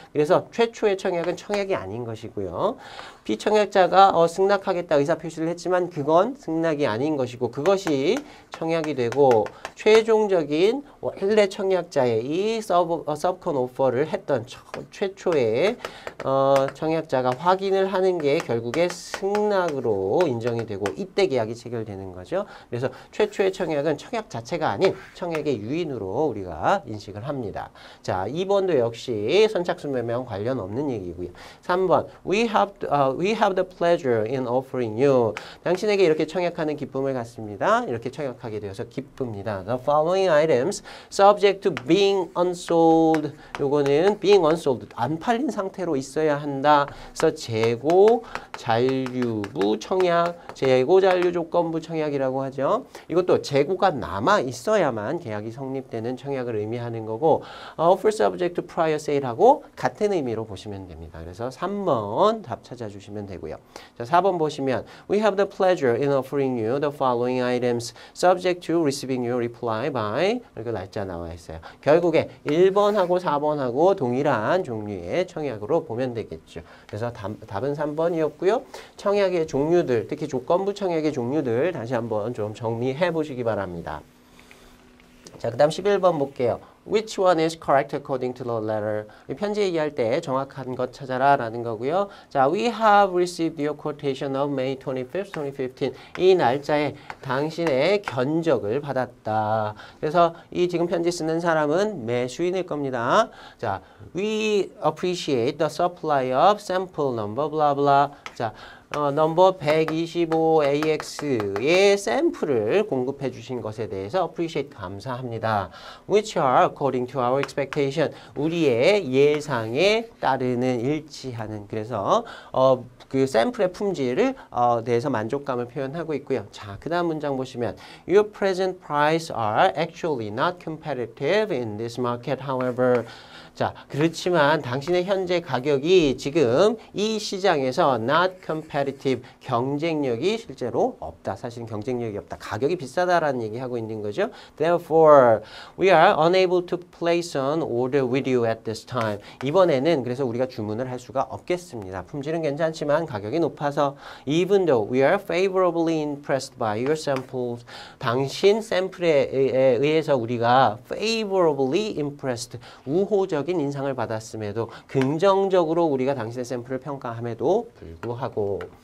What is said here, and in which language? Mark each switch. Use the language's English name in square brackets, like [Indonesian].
[Korean] 그래서 최초의 청약은 청약이 아닌 것이고요. 피청약자가 승낙하겠다 의사표시를 했지만 그건 승낙이 아닌 것이고 그것이 청약이 되고 최종적인 원래 청약자의 이 subcon offer를 했던 최초의 청약자가 확인을 하는 게 결국에 승낙으로 인정이 되고 이때 계약이 체결되는 거죠. 그래서 최초의 청약은 청약 자체가 아닌 청약의 유인으로 우리가 인식을 합니다. 자, 2번도 역시 선착순 매매와 관련 없는 얘기고요. [English] 3번, We have the pleasure in offering you. [Korean] 당신에게 이렇게 청약하는 기쁨을 갖습니다. 이렇게 청약하게 되어서 기쁩니다. [English] The following items subject to being unsold. [Korean] 요거는 [English] being unsold, [Korean] 안 팔린 상태로 있어야 한다. 그래서 재고 잔류부 청약, 재고 잔류 조건부 청약이라고 하죠. 이것도 재고가 남아 있어야만 계약이 성립되는 청약을 의미하는 거고 [English] offer subject to prior sale [Korean] 하고 같은 의미로 보시면 됩니다. 그래서 3번 답 찾아주시면 되고요. 자, 4번 보시면 [English] We have the pleasure in offering you the following items subject to receiving your reply by [Korean] 이렇게 날짜 나와 있어요. 결국에 1번하고 4번하고 동일한 종류의 청약으로 보면 되겠죠. 그래서 답은 3번이었고요. 청약의 종류들, 특히 조건부 청약의 종류들 다시 한번 좀 정리해 보시기 바랍니다. 자, 그 다음 11번 볼게요. [English] Which one is correct according to the letter? [Korean] 편지 얘기할 때 정확한 것 찾아라 라는 거고요. [English] 자, We have received your quotation of May 25th, 2015. [Korean] 이 날짜에 당신의 견적을 받았다. 그래서 이 지금 편지 쓰는 사람은 매수인일 겁니다. [English] 자, We appreciate the supply of sample number, blah, blah. [Korean] 자, 넘버 125AX의 샘플을 공급해 주신 것에 대해서 appreciate 감사합니다. [English] Which are according to our expectation. [Korean] 우리의 예상에 따르는 일치하는 그래서 그 샘플의 품질을 대해서 만족감을 표현하고 있고요. 자, 그 다음 문장 보시면 [English] Your present price are actually not competitive in this market, however. [Korean] 자, 그렇지만 당신의 현재 가격이 지금 이 시장에서 [English] not competitive, [Korean] 경쟁력이 실제로 없다. 사실은 경쟁력이 없다. 가격이 비싸다라는 얘기하고 있는 거죠. [English] Therefore, we are unable to place an order with you at this time. [Korean] 이번에는 그래서 우리가 주문을 할 수가 없겠습니다. 품질은 괜찮지만 가격이 높아서 [English] even though we are favorably impressed by your samples, [Korean] 당신 샘플에 의해서 우리가 [English] favorably impressed, [Korean] 우호적 적인 인상을 받았음에도 긍정적으로 우리가 당신의 샘플을 평가함에도 불구하고